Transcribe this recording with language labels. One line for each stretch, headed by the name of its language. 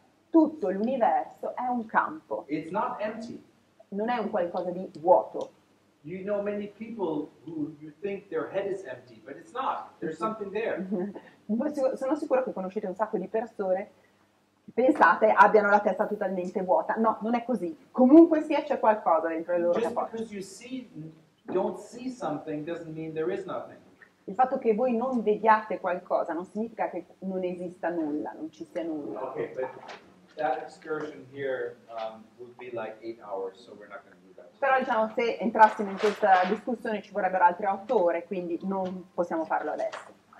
Italian: Tutto l'universo è un campo, non è un qualcosa di vuoto.
English: You know many people who you think their head is empty, but it's not. There's something there.
Italian: Sono sicuro che conoscete un sacco di persone che pensate abbiano la testa totalmente vuota. No, non è così. Comunque sia c'è qualcosa dentro le loro capoce.
English: Just because you see, don't see something doesn't mean there is nothing.
Italian: Il fatto che voi non vediate qualcosa non significa che non esista nulla, non ci sia nulla.
English: Okay, but that excursion here would be like 8 hours, so we're not going to.
Italian: Però diciamo, se entrassimo in questa discussione ci vorrebbero altre 8 ore, quindi non possiamo farlo adesso.